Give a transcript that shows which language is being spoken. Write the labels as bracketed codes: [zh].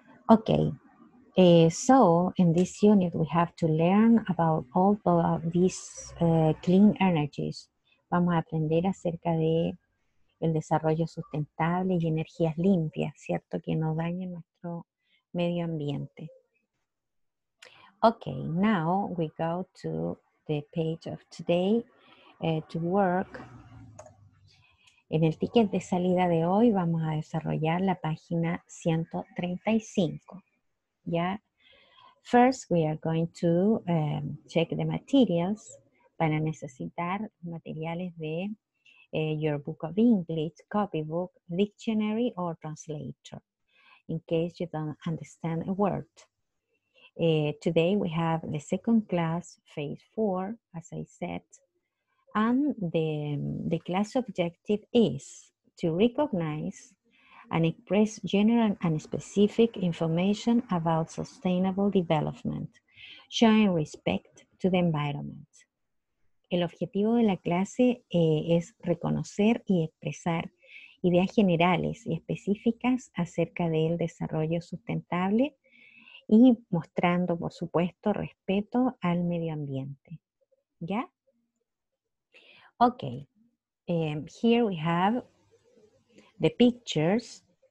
[en] Ok, so in this unit we have to learn about all of these clean energies. [es] Vamos a aprender acerca de el desarrollo sustentable y energías limpias, ¿cierto? Que no dañen nuestro medio ambiente. [en] Ok, now we go to the page of today. To work. [es] En el ticket de salida de hoy vamos a desarrollar la página 135. ¿Ya? [en] First, we are going to check the materials. [es] Van a necesitar materiales de [en] your book of English, copybook, dictionary, or translator, in case you don't understand a word. Today we have the second class, phase 4, as I said. And the class objective is to recognize and express general and specific information about sustainable development, showing respect to the environment. [es] El objetivo de la clase es reconocer y expresar ideas generales y específicas acerca del desarrollo sustentable y mostrando, por supuesto, respeto al medio ambiente. [en] ¿Ya? Okay, here we have the pictures.